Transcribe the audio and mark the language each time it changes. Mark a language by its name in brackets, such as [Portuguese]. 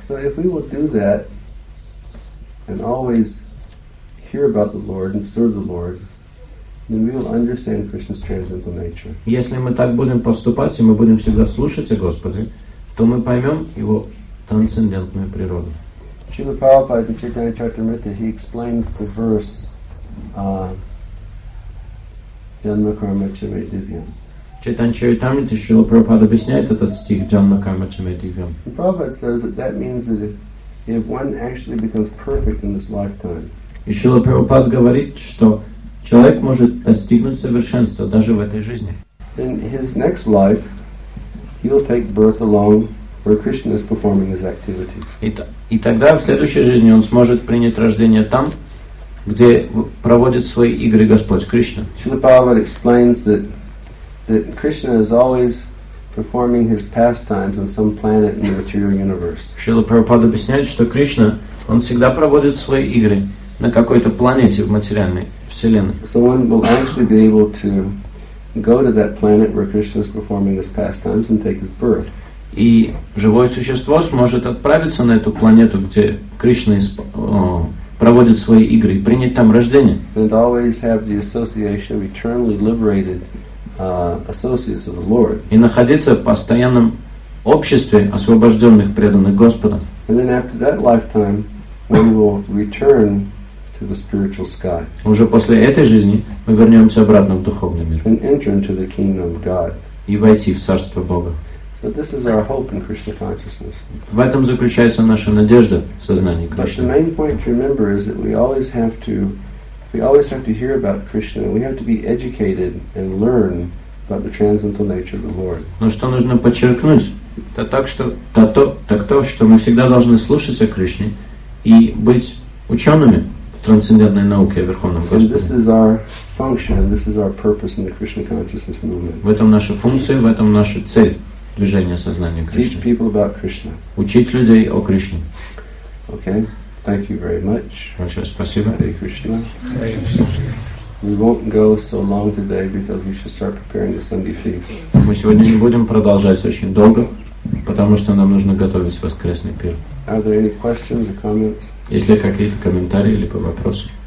[English] So if we will do that and always hear about the Lord and serve the Lord, then we will understand Krishna's transcendental nature. [Russian] Если мы так будем поступать и мы будем всегда слушать о Господе, то мы поймем его трансцендентную природу. [English] Srila Prabhupada in Chaitanya Charitamrita, he explains the verse Janma Karma Chame Divyam. [Russian] Chaitanya Charitamrita, Srila Prabhupada объясняет этот стих Janma Karma Chame Divyam. [English] The Prabhupada says that that means that if one actually becomes perfect in this lifetime, [Russian] и Srila Prabhupada говорит, что человек может достигнуть совершенства даже в этой жизни. [English] In his next life, he'll take birth along where Krishna is performing his activities. [Russian] И тогда в следующей жизни он сможет принять рождение там, где проводит свои игры Господь Кришна. [English] Srila Prabhupada explains that Krishna is always performing his pastimes on some planet in the material universe. [Russian] Srila Prabhupada объясняет, что Кришна, он всегда проводит свои игры на какой-то планете в материальной вселенной. [English] So one will actually be able to go to that planet where Krishna is performing his pastimes and take his birth. [Russian] И живое существо сможет отправиться на эту планету, где Кришна проводит свои игры, и принять там рождение. [English] And always have the association of eternally liberated associates of the Lord. [Russian] И находиться в постоянном обществе освобожденных преданных Господа. [English] And then after that lifetime, we will return to the spiritual sky. [Russian] Уже после этой жизни мы вернемся обратно в духовный мир. [English] And enter into the kingdom of God. [Russian] И войти в царство Бога. [English] But this is our hope in Krishna consciousness. [Russian] В этом заключается наша надежда в сознании Кришны. [English] But the main point to remember is that we always have to hear about Krishna. We have to be educated and learn about the transcendental nature of the Lord. [Russian] Но что нужно подчеркнуть, то, что мы всегда должны слушать о Кришне и быть учеными в трансцендентной науке о Верховном Господе. [English] And this is our function. And this is our purpose in the Krishna consciousness movement. [Russian] В этом наша функция, в этом наша цель. Движение сознания Кришны. [English] Teach people about Krishna. [Russian] Учить людей о Кришне. [English] Okay. Thank you very much. [Russian] Большое спасибо. [English] Hare Krishna. We won't go so long today because we should start preparing the Sunday feast. [Russian] Мы сегодня не будем продолжать очень долго, потому что нам нужно готовить воскресный пир. [English] Are there any questions or comments? [Russian] Есть ли какие-то комментарии или по вопросу?